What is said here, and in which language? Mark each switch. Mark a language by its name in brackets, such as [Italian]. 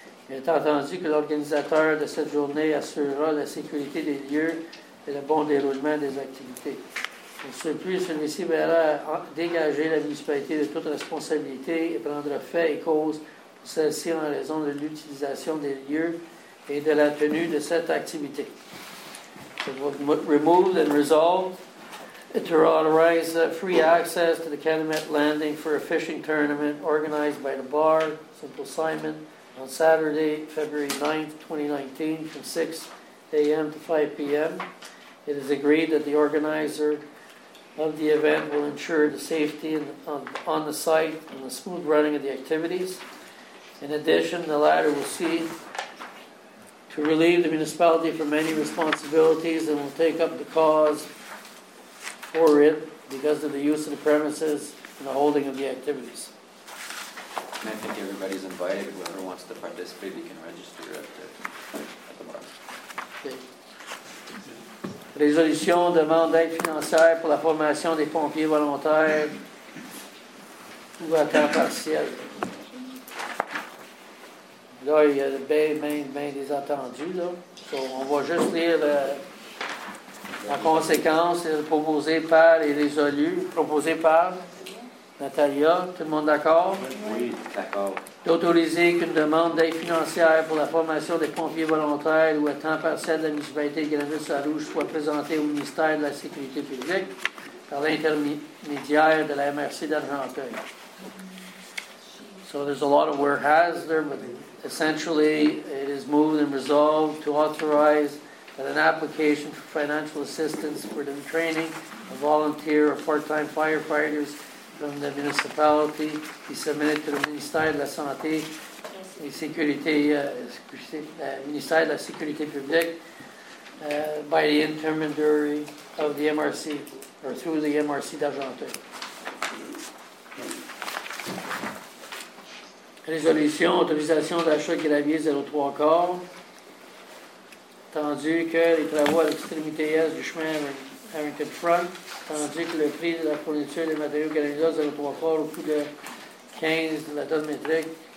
[French] Il est entendu que l'organisateur de cette journée assurera la sécurité des lieux et le bon déroulement des activités. Pour ce plus, celui-ci verra dégager la municipalité de toute responsabilité et prendre fait et cause pour celle-ci en raison de l'utilisation des lieux et de la tenue de cette activité. [English] It was removed and resolved to authorize free access to the Calumet Landing for a fishing tournament organized by the bar, Simple Simon, on Saturday, February 9, 2019, from 6 a.m. to 5 p.m. It is agreed that the organizer of the event will ensure the safety on the site and the smooth running of the activities. In addition, the latter will see to relieve the municipality from many responsibilities and will take up the cause for it because of the use of the premises and the holding of the activities. And I think everybody's invited. Whoever wants to participate, they can register at the bar. [French] Résolution de demande d'aide financière pour la formation des pompiers volontaires ou à temps partiel. Là, il y a bien des attendus. So, on va juste lire la conséquence proposée par et résolue, proposée par Natalia. Tout le monde d'accord? Oui, d'accord. D'autoriser qu'une demande d'aide financière pour la formation des pompiers volontaires ou à temps partiel de la municipalité de Granville-Sarrouge soit présentée au ministère de la Sécurité publique par l'intermédiaire de la MRC d'Argenteuil. [English] So there's a lot of whereas there, but essentially it is moved and resolved to authorize that an application for financial assistance for the training of volunteer or part-time firefighters from the municipality be submitted to the Ministère de la Santé et Sécurité, Ministère de la Sécurité Publique, by the intermediary of the MRC, or through the MRC d'Argenteuil. [French] Résolution, autorisation d'achat gravier 03 corps, tandis que les travaux à l'extrémité est du chemin Harrington Front, tandis que le prix de la fourniture des matériaux canalisables 03 corps au coût de 15 de la tonne métrique.